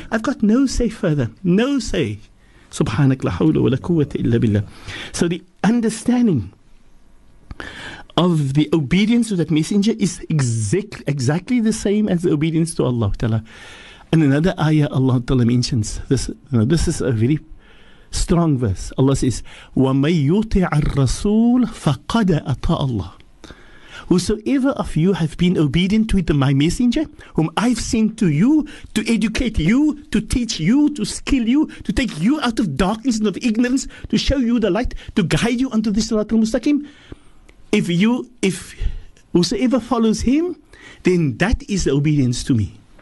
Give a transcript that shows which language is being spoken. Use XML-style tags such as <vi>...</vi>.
<en>I've got no say further. No say.</en> <ar>Subhanak la hawla wa la quwwata illa billah.</ar> <en>So the understanding of the obedience to that messenger is exactly the same as the obedience to Allah. And another ayah Allah Ta'ala mentions, this is a very strong verse. Allah says,</en> <ar>وَمَنْ يُطِعَ الرَّسُولَ فَقَدْ أَطَاءَ اللَّهِ.</ar> <en>Whosoever of you have been obedient with my messenger, whom I've sent to you, to educate you, to teach you, to skill you, to take you out of darkness and of ignorance, to show you the light, to guide you unto the Sirat al-Mustaqim, if whosoever follows him, then that is obedience to me.</en>